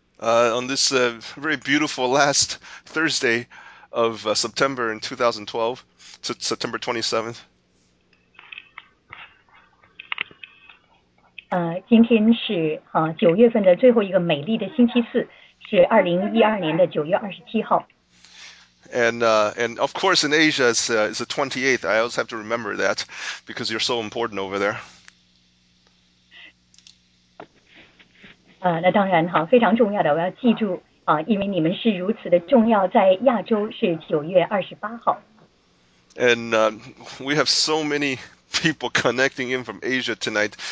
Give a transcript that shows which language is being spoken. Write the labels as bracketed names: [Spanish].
[English] On this very beautiful last Thursday of September in 2012, September 27th。 [Chinese] 今天是九月份的最后一个美丽的星期四，是2012年的9月27号。 [English] And of course, in Asia, it's the 28th. I always have to remember that because you're so important over there. [Chinese] 那当然哈，非常重要的，我要记住啊，因为你们是如此的重要，在亚洲是9月28号。 [English] And we have so many people connecting in from Asia tonight.